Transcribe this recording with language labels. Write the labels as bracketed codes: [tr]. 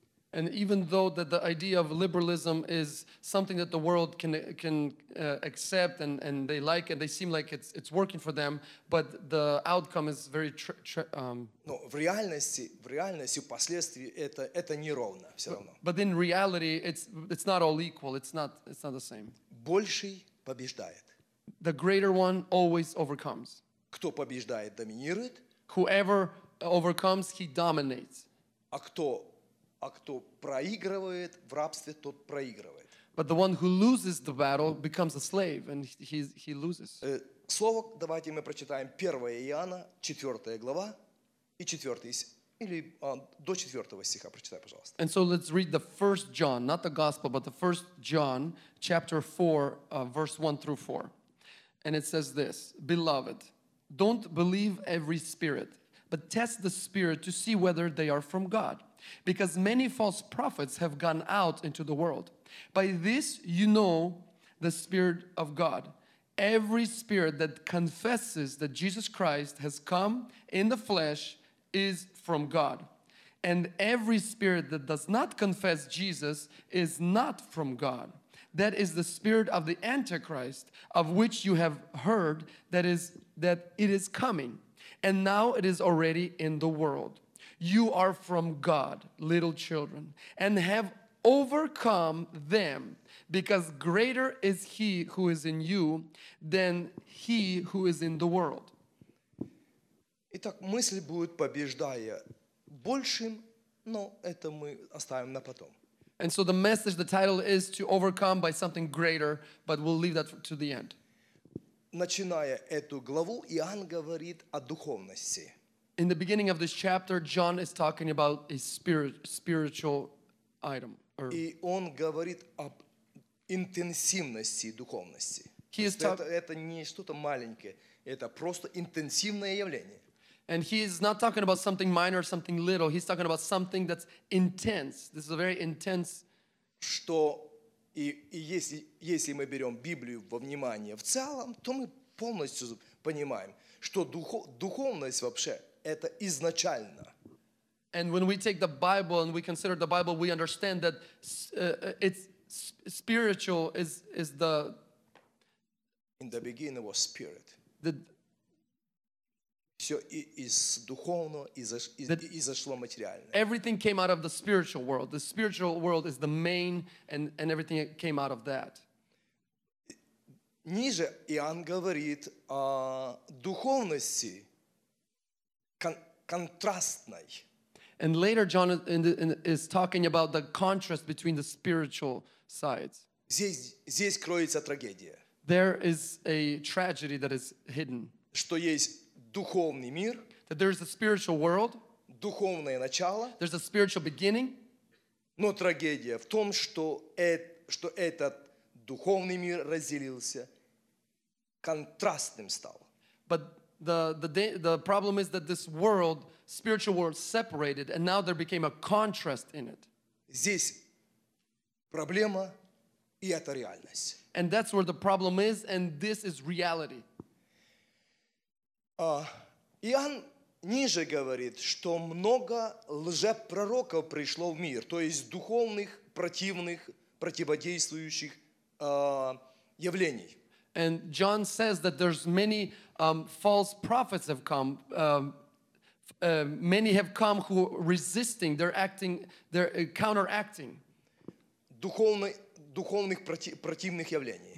[en] And even though that the idea of liberalism is something that the world can accept and they like and they seem like it's working for them, but the outcome is very [ru] Но в реальности последствия это неровно все равно. [en] But in reality, it's not all equal. It's not the same. [ru] Больший побеждает. [en] The greater one always overcomes. [ru] Кто побеждает, доминирует. [en] Whoever overcomes, he dominates. [ru] А кто проигрывает в рабстве, тот проигрывает. [en] But the one who loses the battle becomes a slave, and he loses. [ru] Слово, давайте мы прочитаем 1 Иоанна, 4 глава, и 4, или до 4 стиха прочитай, пожалуйста. [en] And so let's read the first John, not the gospel, but the first John, chapter 4, verse 1 through 4. And it says this, Beloved, don't believe every spirit, but test the spirit to see whether they are from God. Because many false prophets have gone out into the world. By this you know the Spirit of God. Every spirit that confesses that Jesus Christ has come in the flesh is from God. And every spirit that does not confess Jesus is not from God. That is the spirit of the Antichrist, of which you have heard that it is coming. And now it is already in the world. You are from God, little children, and have overcome them, because greater is He who is in you than he who is in the world. [ru] Итак, мысль будет побеждая большим, но это мы оставим на потом. [en] And so the message, the title is to overcome by something greater, but we'll leave that to the end. [ru] Начиная эту главу, Иоанн говорит о духовности. [en] In the beginning of this chapter, John is talking about a spiritual item. [ru] И он говорит об интенсивности духовности. Это не что-то маленькое, это просто интенсивное явление. [en] And he is not talking about something minor, something little. He's talking about something that's intense. This is a very intense. [ru] Что и если мы берем Библию во внимание в целом, то мы полностью понимаем, что духовность вообще это изначально. [en] And when we take the Bible and we consider the Bible, we understand that it's spiritual is the. In the beginning was spirit. [ru] Все из духовного изошло материальное. [en] Everything came out of the spiritual world. The spiritual world is the main, and everything came out of that. [ru] Ниже Иоанн говорит о духовности контрастной. [en] And later John is talking about the contrast between the spiritual sides. [ru] Здесь кроется трагедия. [en] There is a tragedy that is hidden. [ru] Что есть духовный мир? [en] That there is a spiritual world. [ru] Духовное начало. [en] There's a spiritual beginning. [ru] Но трагедия в том, что этот духовный мир разделился, контрастным стал. [en] But the problem is that this world, spiritual world, separated, and now there became a contrast in it. [ru] Здесь проблема, и это реальность. [en] And that's where the problem is, and this is reality. [ru] Иоанн ниже говорит, что много лжепророков пришло в мир, то есть духовных, противных, противодействующих явлений. [en] And John says that there's many false prophets have come. Many have come who are resisting, they're acting, they're counteracting. [ru] Духовных противных явлений.